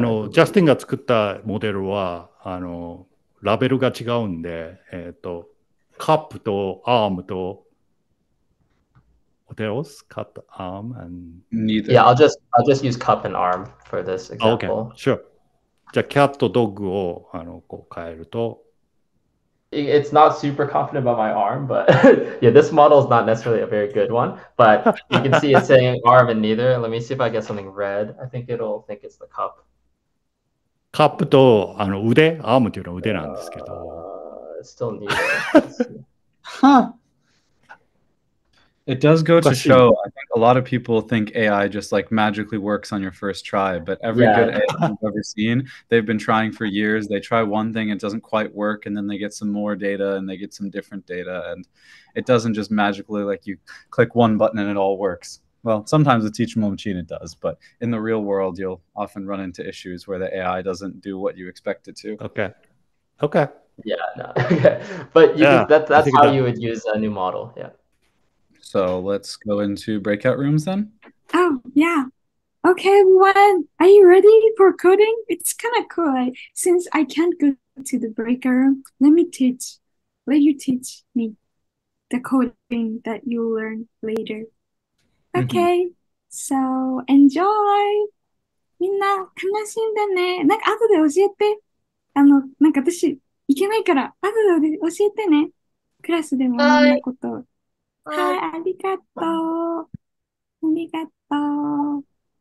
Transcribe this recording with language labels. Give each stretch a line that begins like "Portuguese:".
Japanese: Justin が作ったモデルはラベルが違うんで、カップとアームと
English: What else? Cup, arm, and neither. Yeah, I'll just use cup and arm for this example. Okay, sure.
Japanese: じゃあ、キャット、ドッグをこう変えると
English: It's not super confident about my arm, but yeah, this model is not necessarily a very good one, but you can see it's saying arm and neither. Let me see if I get something red. I think it'll think it's the cup.
Japanese: カップと腕、アームというのは腕なんですけど。
English: Still need it does go to show. I think a lot of people think AI just like magically works on your first try, but every good AI you've ever seen, they've been trying for years. They try one thing, it doesn't quite work, and then they get some more data and they get some different data, and it doesn't just magically like you click one button and it all works. Well, sometimes the teachable machine it does, but in the real world, you'll often run into issues where the AI doesn't do what you expect it to. Okay. But that's how you would use a new model. Yeah. So let's go into breakout rooms then. Oh, yeah. Okay, well, are you ready for coding? It's kind of cool. Since I can't go to the break room, let you teach me the coding that you'll learn later. Okay, so enjoy.
Japanese: みんな楽しんでね。なんか後で教えて。あの、なんか私行けないから、後で教えてね。クラスでもみんなこと。はい。はい、ありがとう。ありがとう。